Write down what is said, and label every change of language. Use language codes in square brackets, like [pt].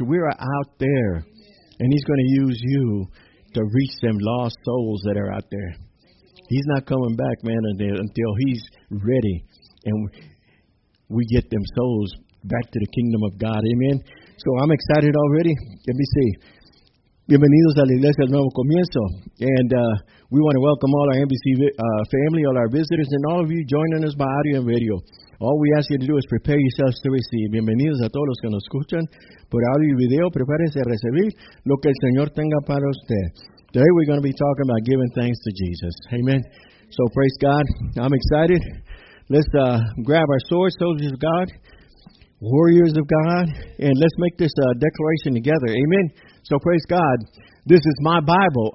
[en] We're out there. And he's going to use you to reach them lost souls that are out there. He's not coming back, man, until he's ready. And we get them souls back to the kingdom of God. Amen. So I'm excited already. Let me see. [es] Bienvenidos a la Iglesia del Nuevo Comienzo. [en] And we want to welcome all our NBC family, all our visitors, and all of you joining us by audio and radio. All we ask you to do is prepare yourselves to receive. [es] Bienvenidos a todos los que nos escuchan por audio y video. Prepárense a recibir lo que el Señor tenga para usted. [en] Today we're going to be talking about giving thanks to Jesus. Amen. So praise God. I'm excited. Let's grab our swords, soldiers of God, warriors of God, and let's make this declaration together. Amen. So praise God. This is my Bible.